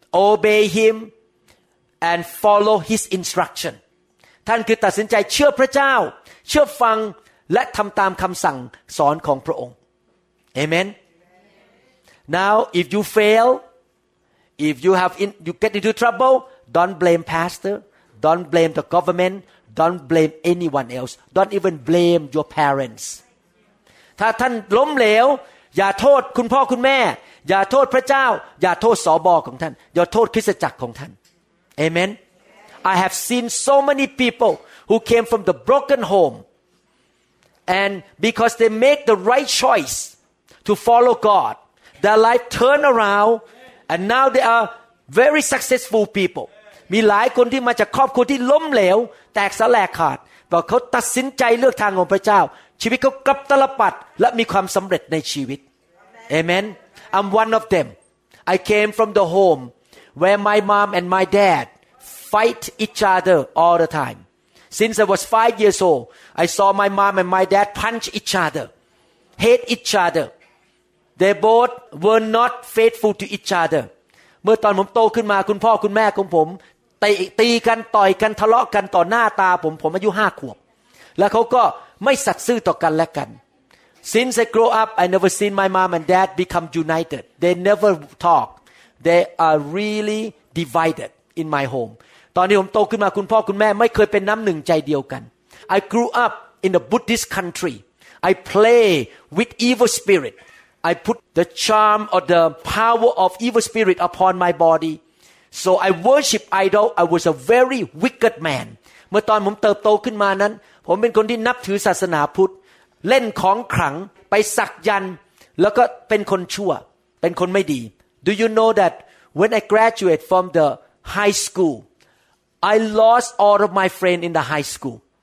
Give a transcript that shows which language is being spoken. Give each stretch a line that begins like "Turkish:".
English: obey him and follow his instruction
Thai: ท่านคือตัดสินใจเชื่อพระเจ้าเชื่อฟังและทำตามคำสั่งสอนของพระองค์
English: AmenNow, if you fail, if you have in, you get into trouble, don't blame pastor, don't blame the government, don't blame anyone else, don't even blame your parents.
Thai: ถ้าท่านล้มเหลวอย่าโทษคุณพ่อคุณแม่อย่าโทษพระเจ้าอย่าโทษสบอของท่านอย่าโทษคริสตจักรของท่าน Amen.
English: I have seen so many people who came from the broken home, and because they make the right choice to follow God. Their life turn around, and now they are very successful people.
Thai: มีหลายคนที่มาจากครอบครัวที่ล้มเหลวแตกสลายขาดแต่เขาตัดสินใจเลือกทางของพระเจ้าชีวิตเขากลับตะลับปัดและมีความสำเร็จในชีวิต Amen.
English: I'm one of them. I came from the home where my mom and my dad fight each other all the time. Since I was 5 years old, I saw my mom and my dad punch each other, hate each other. They both were not faithful to each other.
Thai: เมื่อตอนผมโตขึ้นมาคุณพ่อคุณแม่ของผมตีกันต่อยกันทะเลาะกันต่อหน้าตาผมอายุ5 ขวบแล้วเขาก็ไม่สัตย์ซื่อต่อกันและกัน
English: Since I grow up, I never seen my mom and dad become united. They never talk. They are really divided in my home.
Thai: ตอนที่ผมโตขึ้นมาคุณพ่อคุณแม่ไม่เคยเป็นน้ำหนึ่งใจเดียวกัน
English: I grew up in a Buddhist country. I play with evil spirit. I put the charm or the power of evil spirit upon my body. So I worship idol. I was a very wicked man.
Thai: เมื่อตอนผมเติบโตขึ้นมานั้นผมเป็นคนที่นับถือศาสนาพุทธเล่นของขลังไปสักยันต์แล้วก็เป็นคนชั่วเป็นคนไม่ดี
English: Do you know that when I graduate from the high school, I lost all of my friends in the high school.